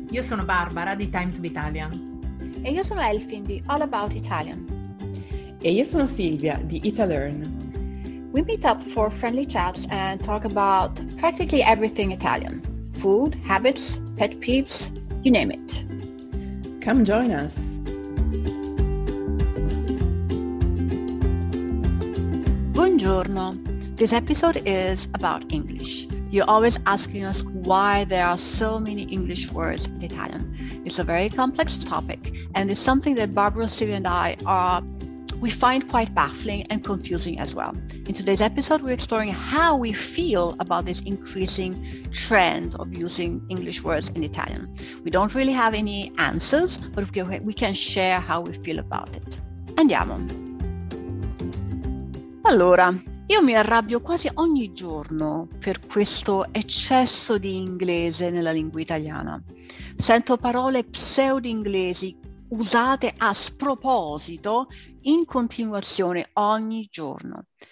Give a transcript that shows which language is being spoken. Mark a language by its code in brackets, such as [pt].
[it] Io sono Barbara di Time to be Italian. E io sono Elfin di All About Italian. E io sono Silvia di Italearn. [en] We meet up for friendly chats and talk about practically everything Italian. Food, habits, pet peeves, you name it. Come join us. [it] Buongiorno. [en] This episode is about English. You're always asking us why there are so many English words in Italian. It's a very complex topic, and it's something that Barbara, Stevie and I we find quite baffling and confusing as well. In today's episode, we're exploring how we feel about this increasing trend of using English words in Italian. We don't really have any answers, but we can share how we feel about it. [it] Andiamo. Allora, io mi arrabbio quasi ogni giorno per questo eccesso di inglese nella lingua italiana. Sento parole pseudo-inglesi usate a sproposito in continuazione ogni giorno.